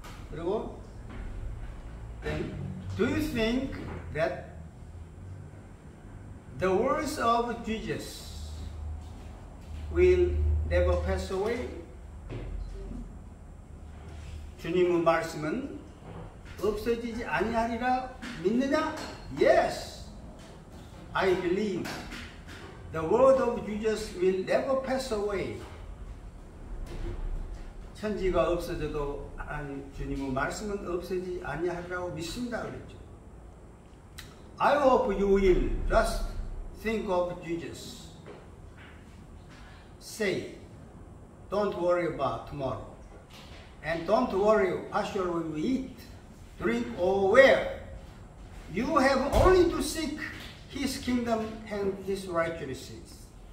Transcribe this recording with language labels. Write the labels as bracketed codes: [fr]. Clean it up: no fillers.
[ko] 그리고 [en] Then do you think that the words of Jesus will never pass away. [ko] 주님의 말씀은 없어지지 아니하리라 믿느냐? [en] Yes. I believe the word of Jesus will never pass away. [ko] 천지가 없어져도 주님의 말씀은 없어지지 아니하리라고 믿습니다. 그랬죠. [en] I hope you will just think of Jesus. Say, don't worry about tomorrow. And don't worry, what shall we eat, drink, or wear? You have only to seek His kingdom and His righteousness.